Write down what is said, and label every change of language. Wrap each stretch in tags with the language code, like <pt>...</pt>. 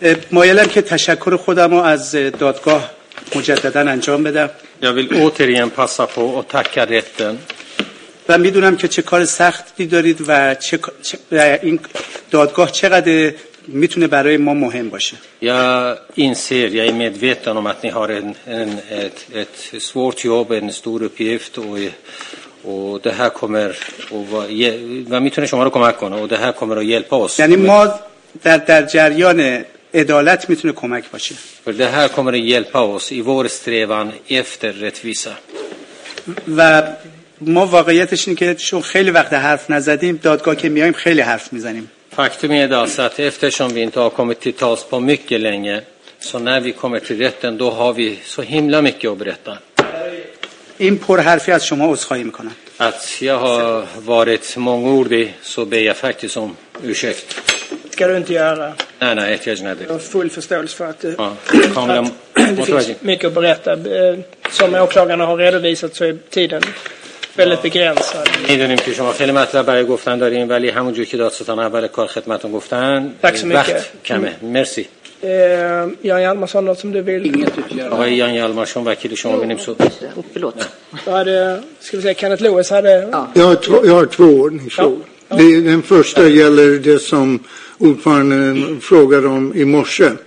<fa>مایلم که تشکر خودم رو از دادگاه مجدداً انجام بدم.</fa> <sv>Jag vill återigen passa på och tacka rätten.</sv> <fa>و میدونم که چه کار سختی دارید و چه این دادگاه چقدر میتونه برای ما مهم باشه.</fa> <sv>Jag inser, jag är medveten om att ni har ett svårt jobb, en stor uppgift och det här kommer och vad</sv> <fa>میتونه شما رو کمک کنه</fa> <sv>و ده här kommer att hjälpa oss.</sv> <fa>یعنی ما در جریان عدالت میتونه کمک باشه.</fa> <sv>För det här kommer att hjälpa oss i vår strävan efter rättvisa.</sv> <fa>و ما واقعیتش اینه که چون خیلی وقت حرف نزدیم دادگاه که میایم خیلی حرف میزنیم.</fa> <sv>Faktum är alltså att eftersom vi inte har kommit till tals på mycket länge så när vi kommer till rätten då har vi så himla mycket att berätta.</sv> <fa>این پر حرفی از شما عذرخواهی میکنم.</fa> <sv>At jag har varit mångordig så ber jag faktiskt om ursäkt. Ska du inte göra? Nej, inte jag. Jag har full förståelse för att, ja. Att det finns mycket att berätta. Som åklagarna har redovisat så är tiden väldigt begränsad.</sv> <fa>میدونیم که شما خیلی مطلب برای گفتن داریم ولی همونجور که دادستان اول کار خدمتتون گفتن وقت کمه. مرسی.</fa> <sv>Jan Hjalmarsson, något som du vill? Inget ytterligare. Ja, Jan Hjalmarsson, verkar du som om vi nämns upp? Förlåt. Ja. Hade, ska vi säga, Kenneth Lewis hade... Ja. Jag har två ordningsfrågor. Ja. Ja. Den första gäller det som ordföranden frågade om i morse.</sv>